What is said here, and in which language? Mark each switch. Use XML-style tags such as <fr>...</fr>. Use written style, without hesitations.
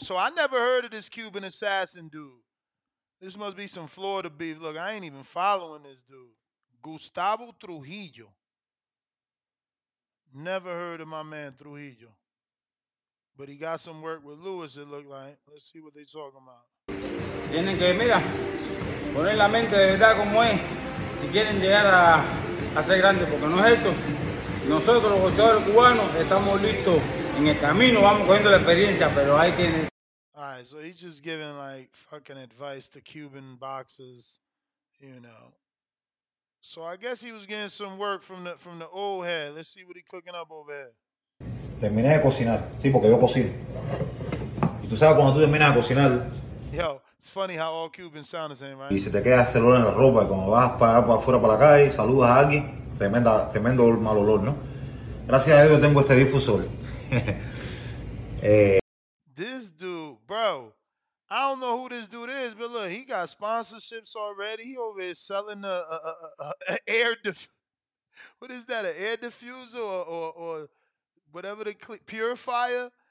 <en>So, I never heard of this Cuban assassin dude. This must be some Florida beef. Look, I ain't even following this dude. Gustavo Trujillo. Never heard of my man Trujillo. But he got some work with Lewis, it looked like. Let's see what they talking about.</en> <es>Tienen que, mira, poner la mente de verdad como es. Si quieren llegar a ser grande, porque no es eso. Nosotros, los boxeadores cubanos, estamos listos en el camino, vamos cogiendo la experiencia, pero hay que...</es> <en>All right, so he's just giving, like, fucking advice to Cuban boxers, you know. So I guess he was getting some work from the old head. Let's see what he's cooking up over there.</en> <es>Terminé de cocinar. Sí, porque yo cocino. Y tú sabes cuando tú terminas de cocinar...</es> <en>Yo, it's funny how all Cubans sound the same, right?</en> <es>Y se te queda el olor en la ropa. Y cuando vas para afuera, para la calle, saludas a alguien, tremenda, tremendo mal olor, ¿no? Gracias a Dios yo tengo este difusor.</es> <en>This dude, bro, I don't know who this dude is, but look, he got sponsorships already. He over here selling an air diffuser or whatever purifier.</en>